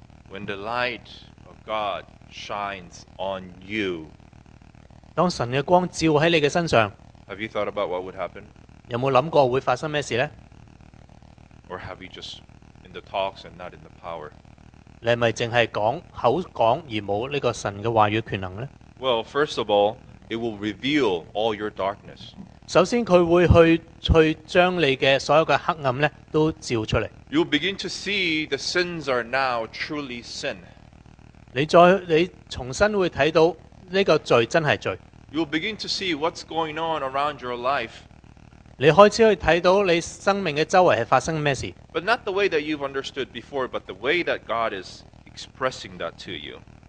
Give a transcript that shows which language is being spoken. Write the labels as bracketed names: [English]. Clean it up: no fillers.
[English] When the light of God shines on you, [Chinese] 当神的光照在你的身上, [English] have you thought about what would happen? [Chinese] 有没有想过会发生什么事呢? [English] Or have you just in the talks and not in the power? [Chinese] 你是不是只是口说而没有这个神的话语权能呢? [English] Well, first of all, it will reveal all your darkness. [Chinese] 首先它会去将你的所有的黑暗都照出来。 [English] You'll begin to see the sins are now truly sin. [Chinese] 你重新会看到这个罪真是罪。 [English] You'll begin to see what's going on around your life. [Chinese] 你开始去看到你生命的周围是发生什么事。 [English] But not the way that you've understood before, but the way that God is expressing that to you.